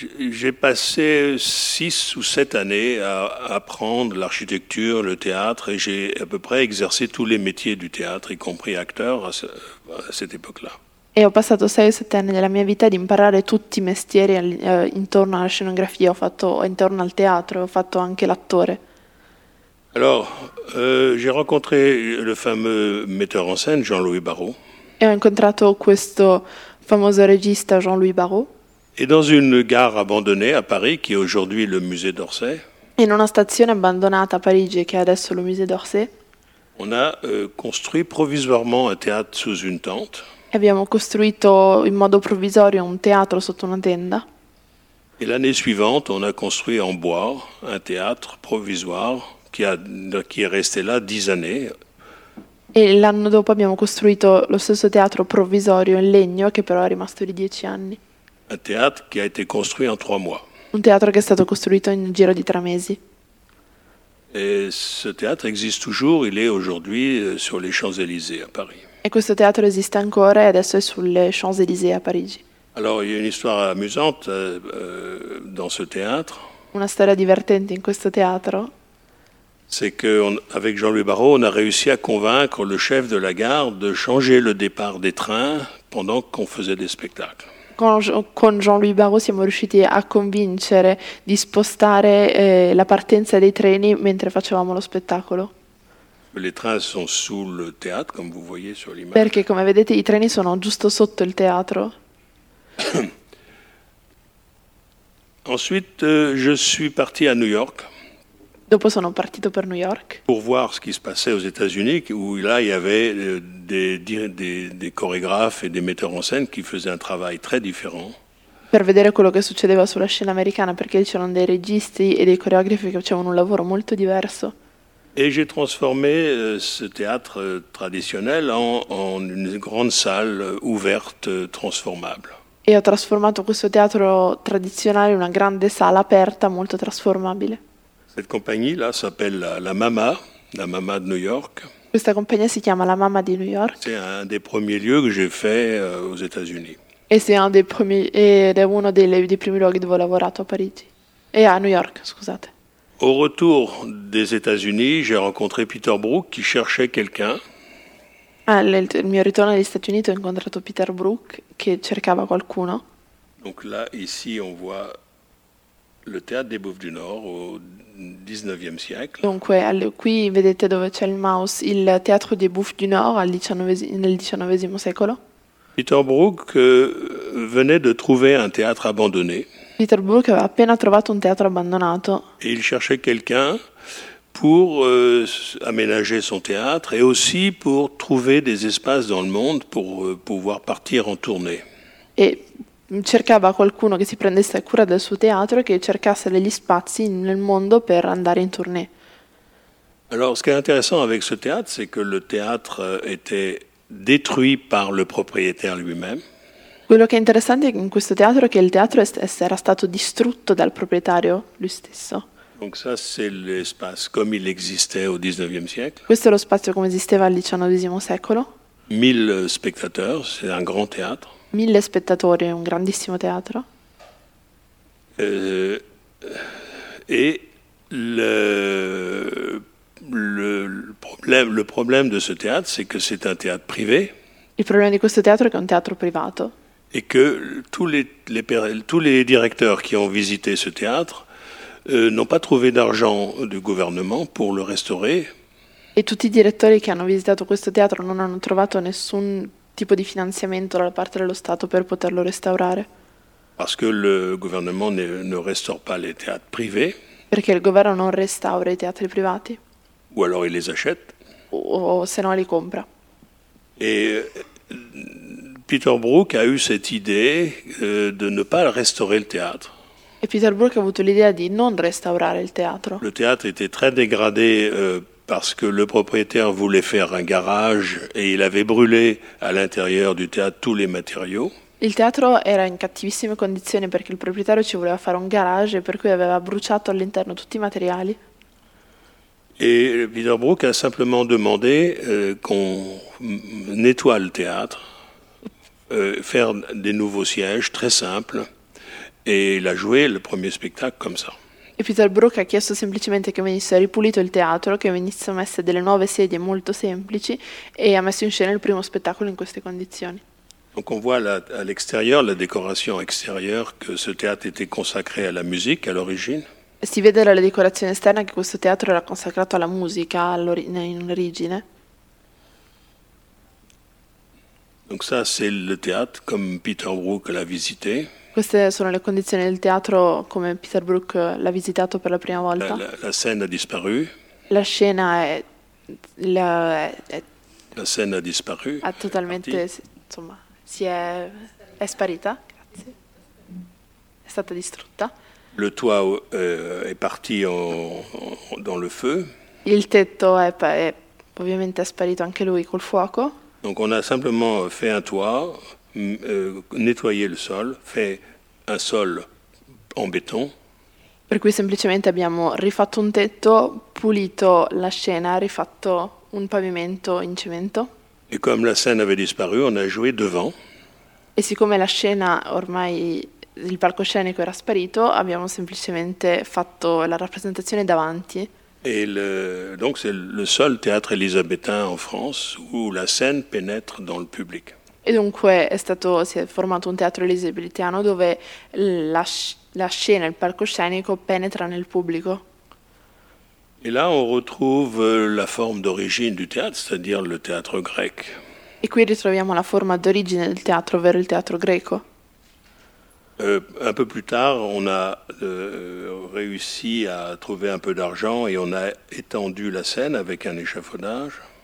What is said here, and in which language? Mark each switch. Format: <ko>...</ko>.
<fr>J'ai passé 6 ou 7 années à apprendre l'architecture, le théâtre, et j'ai à peu près exercé tous les métiers du théâtre, y compris acteur, à cette époque-là. Et</fr> <it>ho passato 6 o 7 anni della mia vita ad imparare tutti i mestieri intorno alla scenografia, intorno al teatro, ho fatto anche l'attore.</it> <fr>Alors, j'ai rencontré le fameux metteur en scène, Jean-Louis Barrault. Et</fr> <it>ho incontrato questo famoso regista, Jean-Louis Barrault.</it> <fr>Et dans une gare abandonnée à Paris, qui est aujourd'hui le musée d'Orsay.</fr> <it>In una stazione abbandonata a Parigi, che è adesso lo Musée d'Orsay.</it> <fr>On a construit provisoirement un théâtre sous une tente.</fr> <it>E abbiamo costruito in modo provvisorio un teatro sotto una tenda.</it> <fr>Et l'année suivante, on a construit en bois un théâtre provisoire qui est resté là 10 années.</fr> <it>E l'anno dopo abbiamo costruito lo stesso teatro provvisorio in legno, che però è rimasto lì 10 anni.</it> <fr>Un théâtre qui a été construit en 3 mois.</fr> <it>Un teatro che è stato costruito in giro di 3 mesi.</it> <fr>Et ce théâtre existe toujours, il est aujourd'hui sur les Champs-Élysées à Paris.</fr> <it>E questo teatro esiste ancora e adesso è sulle Champs-Élysées à Parigi.</it> <fr>Alors, il y a une histoire amusante dans ce théâtre.</fr> <it>Una storia divertente in questo teatro.</it> <fr>C'est que avec Jean-Louis Barrault, on a réussi à convaincre le chef de la gare de changer le départ des trains pendant qu'on faisait des spectacles.</fr> <it>Con Jean-Louis Barrault siamo riusciti a convincere di spostare la partenza dei treni mentre facevamo lo spettacolo.</it> <fr>Les trains sont sous le théâtre, comme vous voyez sur l'image.</fr> <it>Perché, come vedete, i treni sono giusto sotto il teatro.</it> <fr>Ensuite, je suis parti à New York.</fr> <it>Dopo sono partito per New York.</it> <fr>Pour voir ce qui se passait aux États-Unis, où là il y avait des chorégraphes et des metteurs en scène qui faisaient un travail très différent.</fr> <it>Per vedere quello che succedeva sulla scena americana, perché c'erano dei registi e dei coreografi che facevano un lavoro molto diverso.</it> <fr>Et j'ai transformé ce théâtre traditionnel en une grande salle ouverte, transformable.</fr> <it>E ho trasformato questo teatro tradizionale in una grande sala aperta, molto trasformabile.</it> <fr>Cette compagnie-là s'appelle la Mama de New York.</fr> <it>Questa compagnia si chiama La Mama di New York.</it> <fr>C'est un des premiers lieux que j'ai fait aux États-Unis. Et c'est</fr> <it>uno dei primi luoghi dove ho lavorato a Parigi.</it> <fr>Et à New York,</fr> <it>scusate.</it> <fr>Au retour des États-Unis, j'ai rencontré Peter Brook qui cherchait quelqu'un.</fr> <it>Il mio ritorno agli Stati Uniti ho incontrato Peter Brook che cercava qualcuno.</it> <fr>Donc là, ici, on voit le théâtre des Bouffes du Nord au 19e siècle.</fr> <it>Dunque, qui vedete dove c'è il mouse, il teatro dei Bouffes du Nord nel XIXe secolo.</it> <fr>Peter Brook venait de trouver un théâtre abandonné.</fr> <it>Peter Brook aveva appena trovato un teatro abbandonato.</it> <fr>Et il cherchait quelqu'un pour aménager son théâtre et aussi pour trouver des espaces dans le monde pour pouvoir partir en tournée. Et</fr> <it>cercava qualcuno che si prendesse cura del suo teatro e che cercasse degli spazi nel mondo per andare in tournée.</it> <fr>Alors, ce qui est intéressant avec ce théâtre, c'est que le théâtre était détruit par le propriétaire lui-même.</fr> <it>Quello che è interessante in questo teatro è che il teatro era stato distrutto dal proprietario lui stesso.</it> <fr>Donc ça, c'est l'espace comme il existait au 19e siècle.</fr> <it>Questo è lo spazio come esisteva al XIX secolo.</it> <fr>1000 spettateurs, c'est un grand théâtre.</fr> <it>1000 spettatori, un grandissimo teatro.</it> <fr>Et le problème de ce théâtre, c'est que c'est un théâtre privé.</fr> <it>Il problema di questo teatro è che è un teatro privato.</it> <fr>Et que tous les directeurs qui ont visité ce théâtre n'ont pas trouvé d'argent du gouvernement pour le restaurer.</fr> <it>E tutti i direttori che hanno visitato questo teatro non hanno trovato nessun tipo di finanziamento da parte dello Stato per poterlo restaurare.</it> <fr>Parce que le gouvernement ne restaure pas les théâtres privés.</fr> <it>Perché il governo non restaura i teatri privati.</it> <fr>Ou alors il les achète.</fr> <it>O se no li compra.</it> <fr>Et Peter Brook a eu cette idée de ne pas restaurer le théâtre.</fr> <it>E Peter Brook ha avuto l'idea di non restaurare il teatro.</it> <fr>Le théâtre était très dégradé parce que le propriétaire voulait faire un garage et il avait brûlé à l'intérieur du théâtre tous les matériaux.</fr> <it>Il teatro era in cattivissime condizioni perché il proprietario ci voleva fare un garage e per cui aveva bruciato all'interno tutti i materiali.</it> <fr>Et Peter Brook a simplement demandé qu'on nettoie le théâtre. Faire des nouveaux sièges très simples et il a joué le premier spectacle comme ça.</fr> <it>Et Peter Brook a chiesto semplicemente che venisse ripulito il teatro, che venisse messe delle nuove sedie molto semplici e ha messo in scena il primo spettacolo in queste condizioni.</it> <fr>Donc on voit à l'extérieur la décoration extérieure que ce théâtre était consacré à la musique à l'origine.</fr> <it>Si vede dalla decorazione esterna che questo teatro era consacrato alla musica in origine.</it> <fr>Donc ça, c'est le théâtre comme Peter Brook l'a visité.</fr> <it>Queste sono le condizioni del teatro come Peter Brook l'ha visitato per la prima volta.</it> <fr>La scène a disparu.</fr> <it>La scena è</it> <fr>la scène a disparu.</fr> <it>Ha totalmente, insomma, è sparita. Grazie. È stata distrutta.</it> <fr>Le toit</fr> <it>è</it> <fr>parti dans le feu.</fr> <it>Il tetto è ovviamente è sparito anche lui col fuoco.</it> <fr>Donc on a simplement fait un toit, nettoyé le sol, fait un sol en béton.</fr> <it>Per cui semplicemente abbiamo rifatto un tetto, pulito la scena, rifatto un pavimento in cemento.</it> <fr>Et comme la scène avait disparu, on a joué devant.</fr> <it>E siccome la scena ormai il palcoscenico era sparito, abbiamo semplicemente fatto la rappresentazione davanti.</it> <fr>Et donc c'est le seul théâtre élisabétain en France où la scène pénètre dans le public. Et donc</fr> <it>si è formato un teatro elisabetiano dove la scena, il palcoscenico penetra nel pubblico.</it> <fr>Et là on retrouve la forme d'origine du théâtre, c'est-à-dire le théâtre grec.</fr> <it>E qui ritroviamo la forma d'origine del teatro, ovvero il teatro greco.</it> <fr>Un peu plus tard, on a réussi à trouver un peu d'argent et on a étendu la scène avec un échafaudage.</fr>